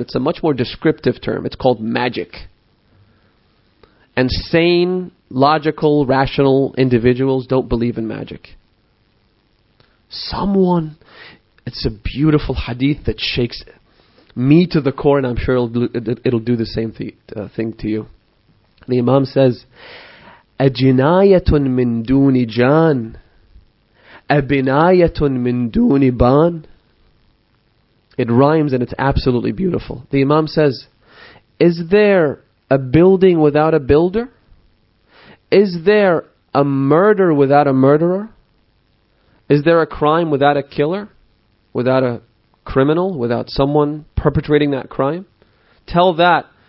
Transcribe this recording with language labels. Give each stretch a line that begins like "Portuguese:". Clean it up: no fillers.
English: It's a much more descriptive term. It's called magic. And sane, logical, rational individuals don't believe in magic. Someone, it's a beautiful hadith that shakes me to the core, and I'm sure it'll do the same thing to you. The Imam says,
Arabic: أَجِنَايَةٌ مِن دُونِ جَانٍ أَبِنَايَةٌ مِن دُونِ بَانٍ.
English: It rhymes and it's absolutely beautiful. The Imam says, is there a building without a builder? Is there a murder without a murderer? Is there a crime without a killer? Without a criminal? Without someone perpetrating that crime? Tell that